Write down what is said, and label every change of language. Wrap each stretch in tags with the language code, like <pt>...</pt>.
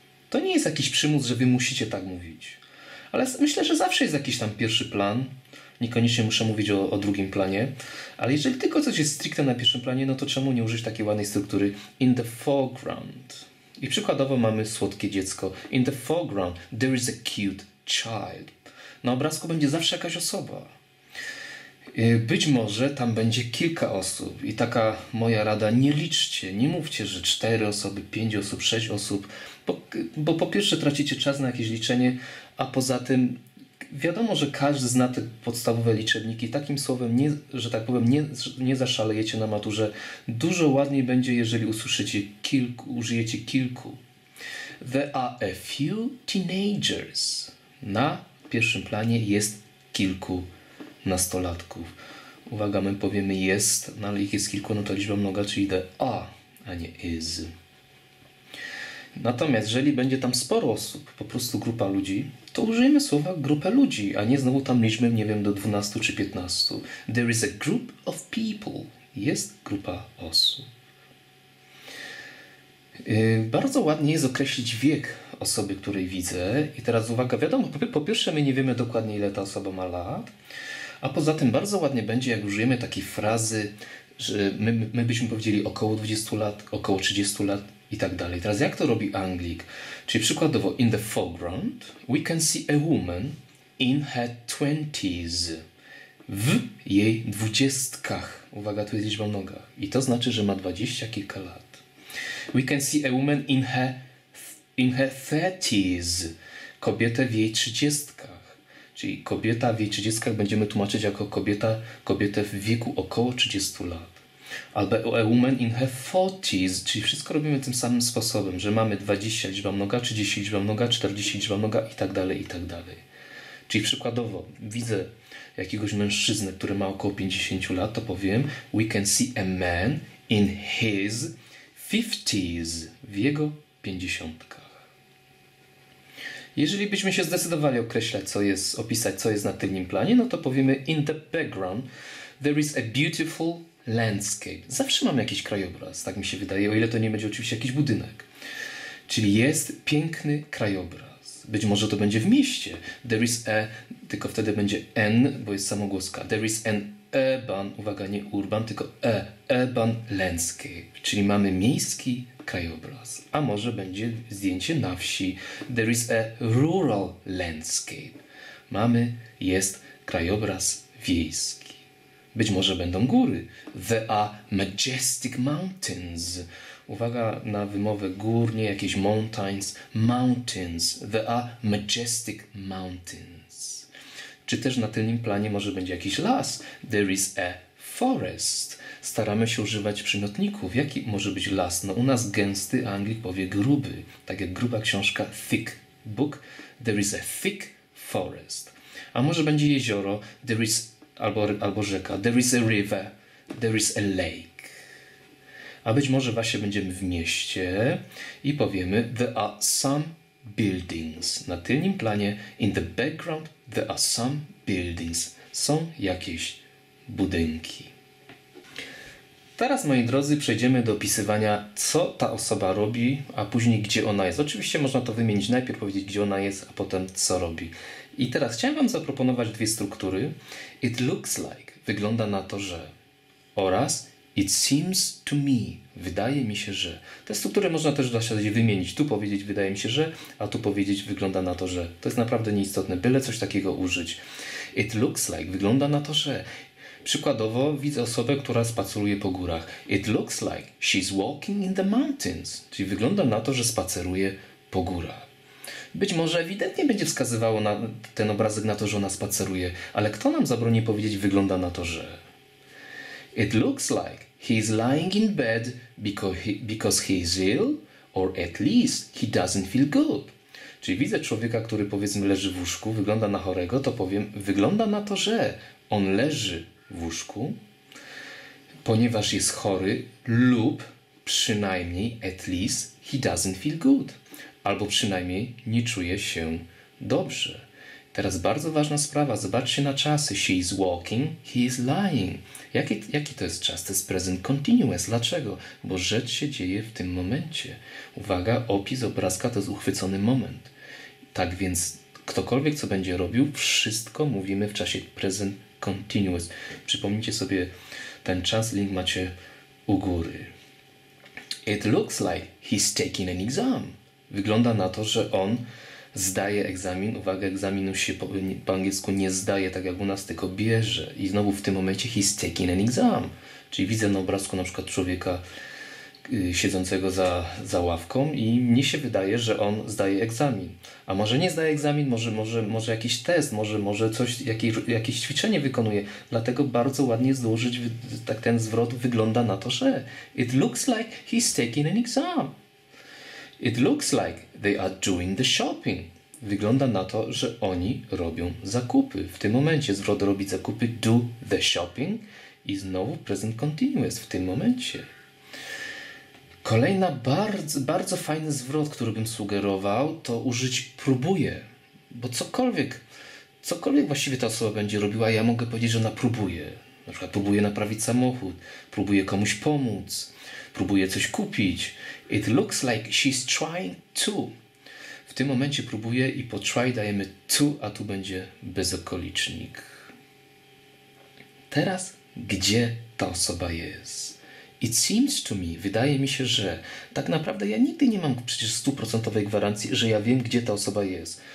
<pl>To nie jest jakiś przymus, że wy musicie tak mówić. Ale myślę, że zawsze jest jakiś tam pierwszy plan. Niekoniecznie muszę mówić o drugim planie. Ale jeżeli tylko coś jest stricte na pierwszym planie, no to czemu nie użyć takiej ładnej struktury</pl> <en>in the foreground?</en> <pl>I przykładowo mamy słodkie dziecko.</pl> <en>In the foreground, there is a cute child.</en> <pl>Na obrazku będzie zawsze jakaś osoba. Być może tam będzie kilka osób i taka moja rada, nie liczcie, nie mówcie, że 4 osoby, 5 osób, 6 osób, bo po pierwsze tracicie czas na jakieś liczenie, a poza tym wiadomo, że każdy zna te podstawowe liczebniki, takim słowem, nie, że tak powiem, nie zaszalejecie na maturze. Dużo ładniej będzie, jeżeli usłyszycie kilku, użyjecie kilku.</pl> <en>There are a few teenagers.</en> <pl>Na pierwszym planie jest kilku nastolatków. Uwaga, my powiemy jest, no ale ich jest kilku, no to liczba mnoga, czyli the a nie is. Natomiast jeżeli będzie tam sporo osób, po prostu grupa ludzi, to użyjmy słowa grupę ludzi, a nie znowu tam liczby, nie wiem, do 12 czy 15.</pl> <en>There is a group of people.</en> <pl>Jest grupa osób. Bardzo ładnie jest określić wiek osoby, której widzę. I teraz uwaga, wiadomo, po pierwsze my nie wiemy dokładnie, ile ta osoba ma lat, a poza tym bardzo ładnie będzie, jak użyjemy takiej frazy, że my byśmy powiedzieli około 20 lat, około 30 lat i tak dalej. Teraz jak to robi Anglik? Czyli przykładowo,</pl> <en>in the foreground we can see a woman in her 20s.</en> <pl>W jej 20-tkach. Uwaga, tu jest liczba mnoga. I to znaczy, że ma 20 kilka lat.</pl> <en>We can see a woman in her 30s.</en> <pl>Kobietę w jej 30-tkach. Czyli kobieta w jej 30-tkach będziemy tłumaczyć jako kobietę w wieku około 30 lat. Albo</pl> <en>a woman in her 40s,</en> <pl>czyli wszystko robimy tym samym sposobem, że mamy 20 liczba mnoga, 30 liczba mnoga, 40 liczba mnoga i tak dalej, i tak dalej. Czyli przykładowo widzę jakiegoś mężczyznę, który ma około 50 lat, to powiem</pl> <en>we can see a man in his 50s,</en> <pl>w jego 50-tkach. Jeżeli byśmy się zdecydowali opisać, co jest na tylnym planie, no to powiemy</pl> <en>in the background there is a beautiful landscape.</en> <pl>Zawsze mam jakiś krajobraz, tak mi się wydaje, o ile to nie będzie oczywiście jakiś budynek. Czyli jest piękny krajobraz. Być może to będzie w mieście.</pl> <en>There is a,</en> <pl>tylko wtedy będzie n, bo jest samogłoska.</pl> <en>There is an urban,</en> <pl>uwaga, nie</pl> <en>urban,</en> <pl>tylko</pl> <en>a, urban landscape.</en> <pl>Czyli mamy miejski krajobraz. A może będzie zdjęcie na wsi.</pl> <en>There is a rural landscape.</en> <pl>Jest krajobraz wiejski. Być może będą góry.</pl> <en>There are majestic mountains.</en> <pl>Uwaga na wymowę gór, nie jakieś mountains.</pl> <en>Mountains. There are majestic mountains.</en> <pl>Czy też na tylnym planie może będzie jakiś las.</pl> <en>There is a forest.</en> <pl>Staramy się używać przymiotników. Jaki może być las? No u nas gęsty, a Anglik powie gruby. Tak jak gruba książka,</pl> <en>thick book. There is a thick forest.</en> <pl>A może będzie jezioro,</pl> <en>there is,</en> <pl>albo rzeka.</pl> <en>There is a river, there is a lake.</en> <pl>A być może właśnie będziemy w mieście i powiemy</pl> <en>there are some buildings.</en> <pl>Na tylnym planie,</pl> <en>in the background, there are some buildings.</en> <pl>Są jakieś budynki. Teraz, moi drodzy, przejdziemy do opisywania, co ta osoba robi, a później gdzie ona jest. Oczywiście można to wymienić, najpierw powiedzieć, gdzie ona jest, a potem co robi. I teraz chciałem wam zaproponować dwie struktury.</pl> <en>It looks like,</en> <pl>wygląda na to, że, oraz</pl> <en>it seems to me,</en> <pl>wydaje mi się, że. Te struktury można też dla siebie wymienić. Tu powiedzieć, wydaje mi się, że, a tu powiedzieć, wygląda na to, że. To jest naprawdę nieistotne, byle coś takiego użyć.</pl> <en>It looks like,</en> <pl>wygląda na to, że. Przykładowo widzę osobę, która spaceruje po górach.</pl> <en>It looks like she's walking in the mountains.</en> <pl>Czyli wygląda na to, że spaceruje po górach. Być może ewidentnie będzie wskazywało na ten obrazek na to, że ona spaceruje. Ale kto nam zabroni powiedzieć, wygląda na to, że...</pl> <en>It looks like he's lying in bed because he's ill or at least he doesn't feel good.</en> <pl>Czyli widzę człowieka, który powiedzmy leży w łóżku, wygląda na chorego, to powiem, wygląda na to, że on leży w łóżku, ponieważ jest chory lub przynajmniej</pl> <en>at least he doesn't feel good.</en> <pl>Albo przynajmniej nie czuje się dobrze. Teraz bardzo ważna sprawa. Zobaczcie na czasy.</pl> <en>She is walking, he is lying.</en> <pl>Jaki to jest czas? To jest present continuous. Dlaczego? Bo rzecz się dzieje w tym momencie. Uwaga, opis obrazka to jest uchwycony moment. Tak więc ktokolwiek co będzie robił, wszystko mówimy w czasie present continuous. Przypomnijcie sobie ten czas, link macie u góry.</pl> <en>It looks like he's taking an exam.</en> <pl>Wygląda na to, że on zdaje egzamin. Uwaga, egzaminu się po angielsku nie zdaje, tak jak u nas, tylko bierze. I znowu w tym momencie</pl> <en>he's taking an exam.</en> <pl>Czyli widzę na obrazku na przykład człowieka siedzącego za ławką i mnie się wydaje, że on zdaje egzamin. A może nie zdaje egzamin, może jakiś test, może coś, jakieś ćwiczenie wykonuje. Dlatego bardzo ładnie złożyć tak ten zwrot, wygląda na to, że</pl> <en>it looks like he's taking an exam. It looks like they are doing the shopping.</en> <pl>Wygląda na to, że oni robią zakupy. W tym momencie zwrot robi zakupy,</pl> <en>do the shopping</en> <pl>i znowu present continuous w tym momencie. Kolejna bardzo, bardzo fajny zwrot, który bym sugerował, to użyć próbuję. Bo cokolwiek właściwie ta osoba będzie robiła, ja mogę powiedzieć, że ona próbuje. Na przykład próbuje naprawić samochód, próbuje komuś pomóc, próbuje coś kupić.</pl> <en>It looks like she's trying to.</en> <pl>W tym momencie próbuje i po try dajemy to, a tu będzie bezokolicznik. Teraz gdzie ta osoba jest?</pl> <en>It seems to me,</en> <pl>wydaje mi się, że tak naprawdę ja nigdy nie mam przecież 100% gwarancji, że ja wiem, gdzie ta osoba jest.</pl>